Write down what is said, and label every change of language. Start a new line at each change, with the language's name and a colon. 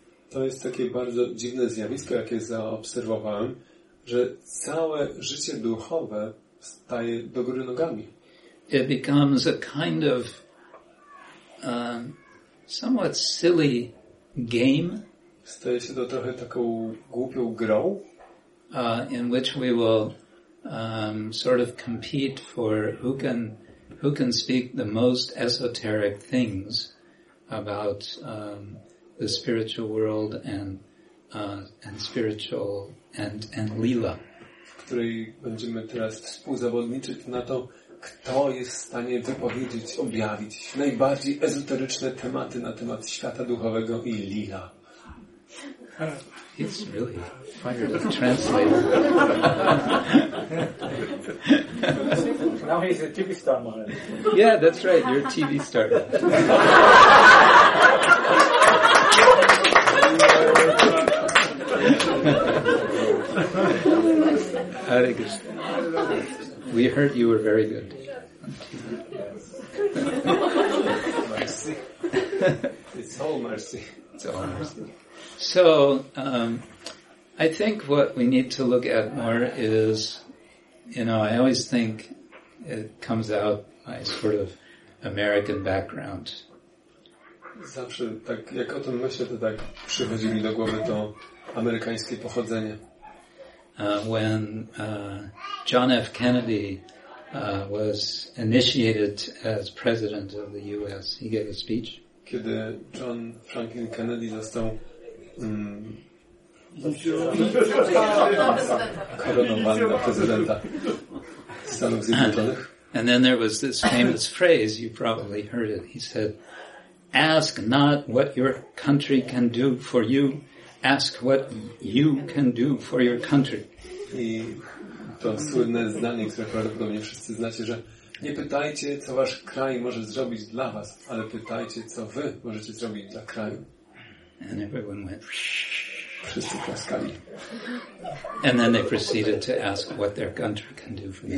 Polish: To jest takie bardzo dziwne zjawisko, jakie zaobserwowałem, że całe życie duchowe staje do góry nogami.
English: It becomes a kind of somewhat silly game.
Polish: Staje się to trochę taką głupią grą,
English: in which we will sort of compete for who can speak the most esoteric things about the spiritual world and spiritual and lila.
Polish: W której będziemy teraz współzawodniczyć na to, kto jest w stanie wypowiedzieć, objawić najbardziej ezoteryczne tematy na temat świata duchowego i lila.
English: It's really fired up translator. Now he's a TV star, Maharaj. Yeah, that's right. You're a TV star. Hare Krishna. We heard you were very good. Mercy. It's all mercy. It's all mercy. So, I think what we need to look at more is, you know, I always think it comes out my sort of American background.
Polish: Zawsze tak, jak o tym myślę, to tak przychodzi mi do głowy to amerykańskie pochodzenie.
English: When John F. Kennedy was initiated as president of the U.S., he gave a speech.
Polish: Kiedy John Franklin Kennedy został
English: And then there was this famous phrase, you probably heard it. He said, ask not what your country can do for you, ask what you can do for your country.
Polish: I to słynne zdanie, które prawdopodobnie wszyscy znacie, że nie pytajcie, co wasz kraj może zrobić dla was, ale pytajcie, co wy możecie zrobić dla kraju.
English: And everyone went.
Polish: Wszyscy klaskali.
English: And then they proceeded to ask what their country can do for them.